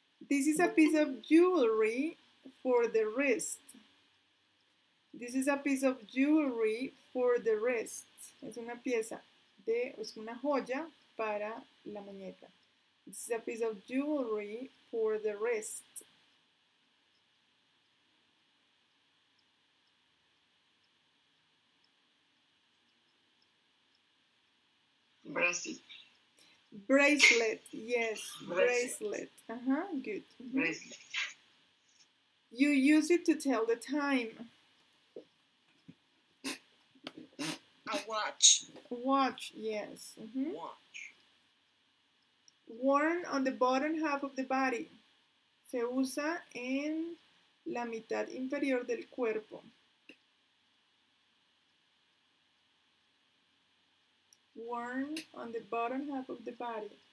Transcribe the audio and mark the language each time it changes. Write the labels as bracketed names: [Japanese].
[English] This is a piece of jewelry for the wrist. This is a piece of jewelry for the wrist. [Spanish] Es una pieza de, es una joya para la muñeca. [English] This is a piece of jewelry for the wrist. Bracelet, yes, bracelet. Good. Bracelet. You use it to tell the time. A watch. Watch, yes. Watch. Worn on the bottom half of the body. [Spanish] Se usa en la mitad inferior del cuerpo. [English] Worn on the bottom half of the body.